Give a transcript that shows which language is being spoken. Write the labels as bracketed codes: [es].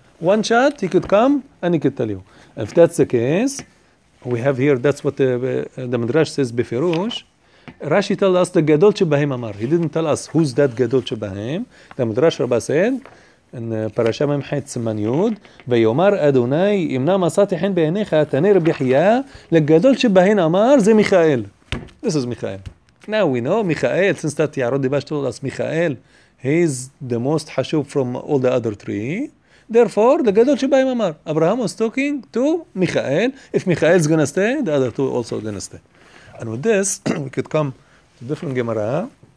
[en] One shot, he could come, and he could tell you. If that's the case, we have here, that's what the Midrash says, Bifirush. Rashi told us the [he] Gadol Shebahem Amar. [en] He didn't tell us who's that Gadol Shebahem. The Midrash Rabbah said, in Parasha Memchet Siman Yud, [he] ויאמר אדוני, אם נא מצאתי חן בעיניך, תנה רבי חייא, לגדול שבהן אמר, זה מיכאל. [en] This is מיכאל. Now we know, מיכאל, since that יערות דיבש told us, מיכאל, he's the most חשוב from all the other three. Therefore, [he] לגדול שבהם אמר, [en] Abraham was talking to מיכאל. If מיכאל is going to stay, the other two also are going to stay. And with this, we could come to different Gemara.